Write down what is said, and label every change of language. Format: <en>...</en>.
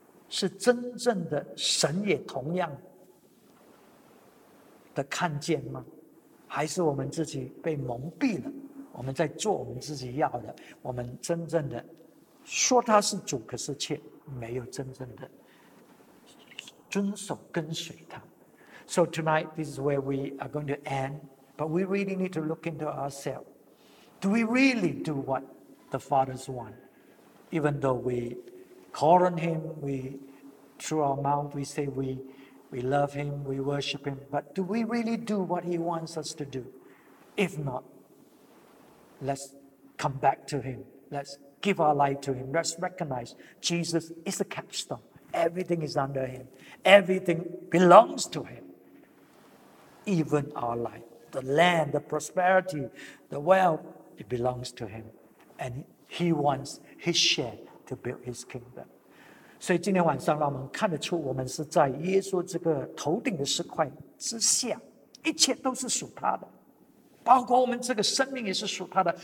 <zh>是真正的神也同样的看见吗？还是我们自己被蒙蔽了？我们在做我们自己要的，我们真正的说他是主，可是却没有真正的遵守跟随他。</zh> <en>So tonight, this is where we are going to end. But we really need to look into ourselves. Do we really do what the Father's want? Even though we call on Him, we through our mouth, we say we love Him, we worship Him. But do we really do what He wants us to do? If not, let's come back to Him. Let's give our life to Him. Let's recognize Jesus is the capstone. Everything is under Him. Everything belongs to Him. Even our life, the land, the prosperity, the wealth, it belongs to Him. And He wants His share to build His kingdom.</en> <zh>所以今天晚上让我们看得出我们是在耶稣这个头顶的石块之下，一切都是属他的，包括我们这个生命也是属他的。</zh>